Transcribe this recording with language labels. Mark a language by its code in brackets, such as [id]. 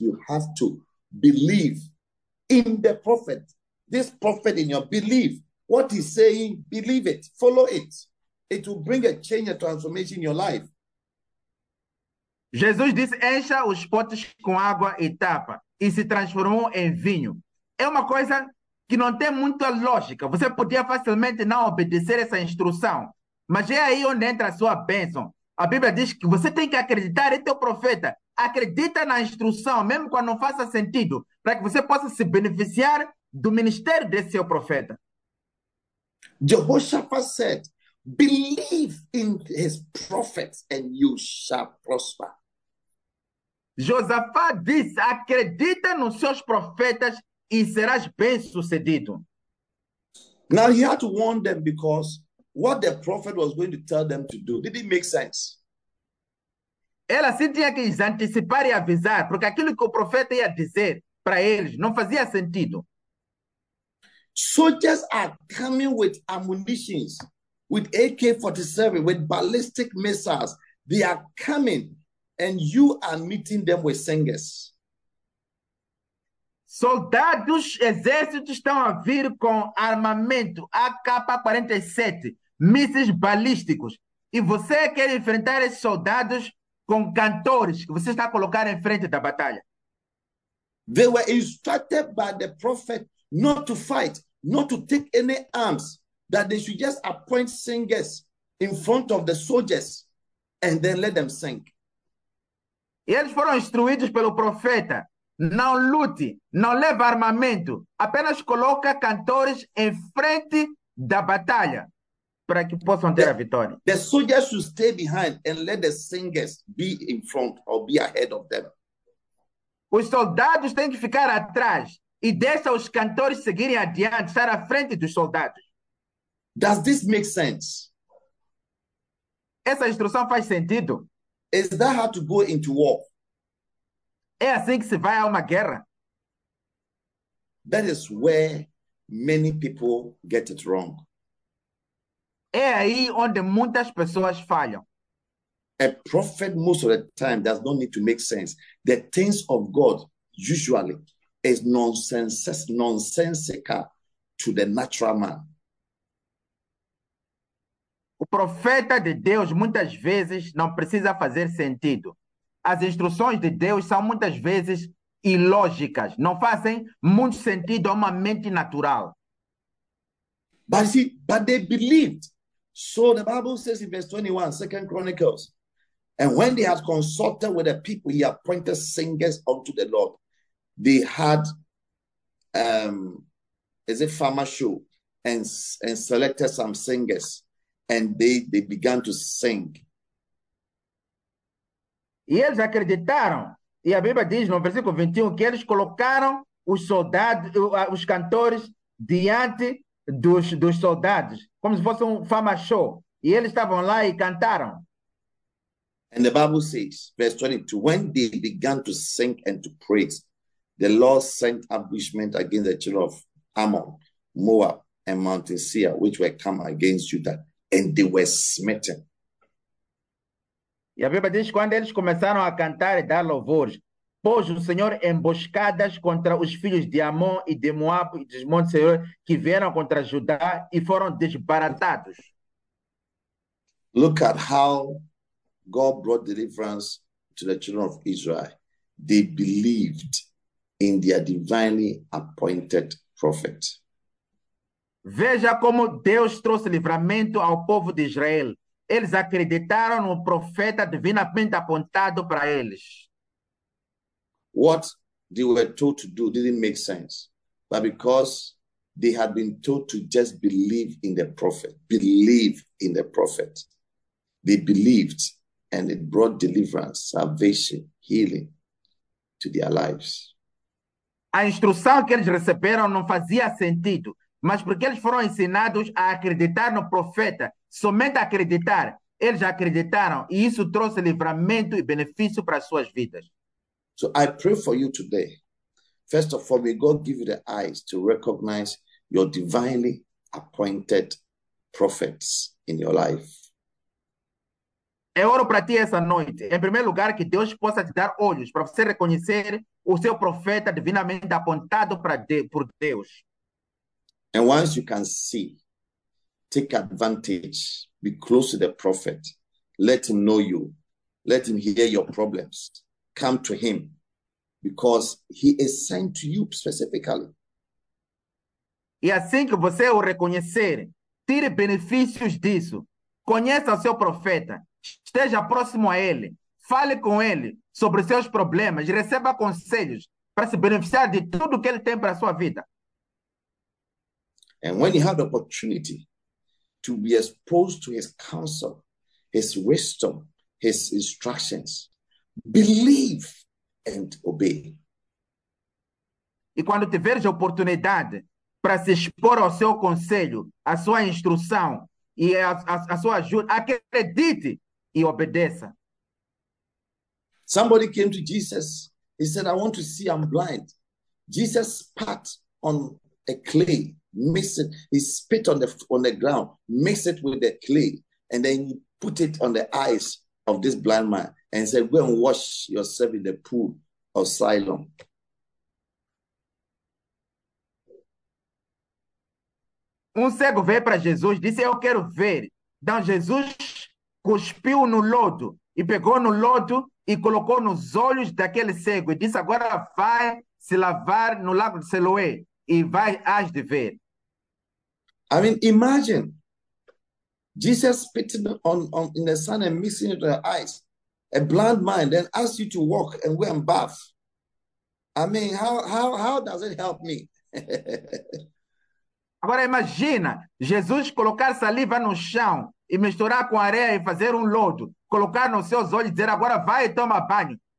[en] You have to believe in the prophet. This prophet in your belief, what he's saying, believe it, follow it. It will bring a change, a transformation in your life. [pt] Jesus disse: encha os potes com água e tapa, e se transformou em vinho. É uma coisa que não tem muita lógica. Você podia facilmente não obedecer essa instrução, mas é aí onde entra a sua bênção. A Bíblia diz que você tem que acreditar em teu profeta. Acredita na instrução, mesmo quando não faça sentido, para que você possa se beneficiar do ministério desse seu profeta. [en] Jehoshaphat said, "Believe in his prophets and you shall prosper." [pt] Josafá disse: acredita nos seus profetas e serás bem-sucedido. [en] Now he had to warn them because what the prophet was going to tell them to do didn't make sense. [pt] Ela se tinha que antecipar e avisar, porque aquilo que o profeta ia dizer para eles não fazia sentido. [en] Soldiers are coming with ammunitions, with AK-47, with ballistic missiles. They are coming, and you are meeting them with singers. [pt] Soldados, exércitos estão a vir com armamento AK-47, mísseis balísticos. E você quer enfrentar esses soldados com cantores que você está a colocar em frente da batalha. [en] They were instructed by the prophet not to fight. Not to take any arms, that they should just appoint singers in front of the soldiers and then let them sing. [pt] E eles foram instruídos pelo profeta: não lute, não leve armamento, apenas coloca cantores em frente da batalha para que possam ter a vitória. [en] The soldiers should stay behind and let the singers be in front or be ahead of them. [pt] Os soldados têm que ficar atrás e deixa os cantores seguirem adiante, estar à frente dos soldados. [en] Does this make sense? [pt] Essa instrução faz sentido? [en] Is that how to go into war? [pt] É assim que se vai a uma guerra? [en] That is where many people get it wrong. [pt] É aí onde muitas pessoas falham. [en] A prophet, most of the time, does not need to make sense. The things of God, usually, is nonsensical to the natural man. [pt] O profeta de Deus, muitas vezes, não precisa fazer sentido. As instruções de Deus são, muitas vezes, ilógicas. Não fazem muito sentido a uma mente natural. [en] But they believed. So the Bible says in verse 21, 2 Chronicles, and when they had consulted with the people, he appointed singers unto the Lord. They had, is it farmer show, and selected some singers, and they began to sing. [pt] E eles acreditaram, e a Bíblia diz no versículo 21, que eles colocaram os soldados, os cantores diante dos soldados, como se fosse fama show. E eles estavam lá e cantaram. [en] And the Bible says, verse 22, when they began to sing and to praise, the Lord sent ambushment against the children of Ammon, Moab, and Mount Seir, which were come against Judah, and they were smitten. [pt] E a Bíblia diz que quando eles começaram a cantar e dar louvores, pôs o Senhor emboscadas contra os filhos de Amon e de Moab e dos montes do Senhor que vieram contra Judá e foram desbaratados. [en] Look at how God brought deliverance to the children of Israel. They believed in their divinely appointed prophet. [pt] Veja como Deus trouxe livramento ao povo de Israel. Eles acreditaram no profeta divinamente apontado para eles. [en] What they were told to do didn't make sense. But because they had been told to just believe in the prophet, believe in the prophet, they believed and it brought deliverance, salvation, healing to their lives. [pt] A instrução que eles receberam não fazia sentido, mas porque eles foram ensinados a acreditar no profeta, somente acreditar, eles acreditaram e isso trouxe livramento e benefício para suas vidas. [en] So I pray for you today. First of all, may God give you the eyes to recognize your divinely appointed prophets in your life. [pt] Eu oro para ti essa noite. Em primeiro lugar, que Deus possa te dar olhos para você reconhecer o seu profeta divinamente apontado por Deus. [en] And once you can see, take advantage, be close to the prophet, let him know you, let him hear your problems. Come to him, because he is sent to you specifically. [pt] E assim que você o reconhecer, tire benefícios disso. Conheça o seu profeta. Esteja próximo a ele. Fale com ele sobre seus problemas. Receba conselhos para se beneficiar de tudo que ele tem para a sua vida. [en] And when you have the opportunity to be exposed to his counsel, his wisdom, his instructions, believe and obey. [pt] E quando tiveres a oportunidade para se expor ao seu conselho, à sua instrução e à sua ajuda, acredite e obedeça. [en] Somebody came to Jesus. He said, I want to see, I'm blind. Jesus spat on a clay, mixed it. He spit on the ground, mixed it with the clay, and then he put it on the eyes of this blind man. And said, go and wash yourself in the pool of Siloam. [pt] Cego veio para Jesus, disse, eu quero ver. Então Jesus cuspiu no lodo, e pegou no lodo, e colocou nos olhos daquele cego, e disse, agora vai se lavar no lago de Siloé, e vai, hás de ver. [en] I mean, imagine, Jesus spitting on in the sun and mixing it with her eyes. A blind mind then asks you to walk and go and bath. I mean, how does it help me? [pt] Agora imagina Jesus colocar saliva no chão e misturar com areia e fazer lodo, colocar nos seus olhos e dizer agora vai e toma banho.